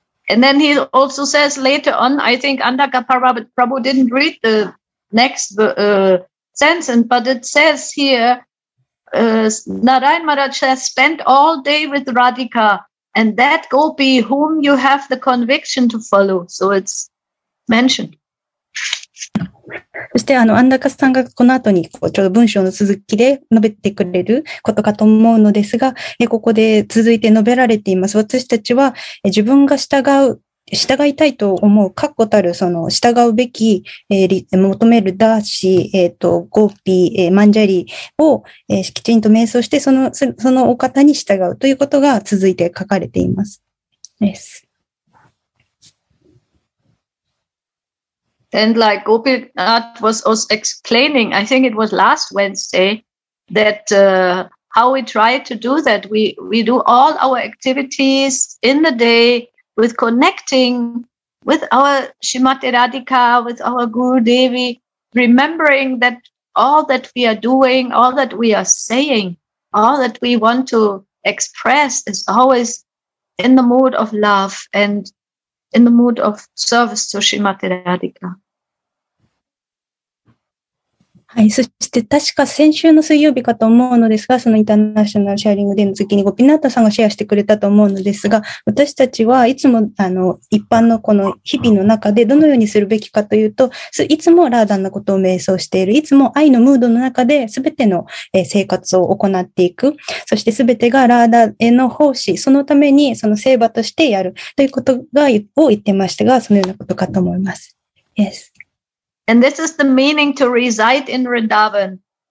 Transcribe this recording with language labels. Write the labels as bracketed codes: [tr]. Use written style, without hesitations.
[en] And then he also says later on, I think Andhaka Prabhu didn't read the next sentence, but it says here, Narayan Maharaj has spent all day with Radhika and that gopi whom you have the conviction to follow. So it's mentioned. [ja] そして、安中さんがこの後に、ちょっと文章の続きで述べてくれることかと思うのですが、ここで続いて述べられています。私たちは、自分が従いたいと思う、確固たる、その、従うべき、求めるダーシー、ゴーピー、マンジャリーを、きちんと瞑想して、そのお方に従うということが続いて書かれています。 [en] Yes. And like Gopinath was also explaining, I think it was last Wednesday, that how we try to do that. We do all our activities in the day with connecting with our Srimati Radhika, with our Guru Devi, remembering that all that we are doing, all that we are saying, all that we want to express is always in the mood of love and in the mood of service to Srimati Radhika. [ja] はい。そして、確か先週の水曜日かと思うのですが、そのインターナショナルシェアリングデーの時にゴピナータさんがシェアしてくれたと思うのですが、私たちはいつも、一般のこの日々の中でどのようにするべきかというと、いつもラーダンなことを瞑想している、いつも愛のムードの中で全ての生活を行っていく、そして全てがラーダンへの奉仕、そのためにその聖場としてやるということが、を言ってましたが、そのようなことかと思います。 [en] Yes. And this is the meaning to reside in Vrindavan.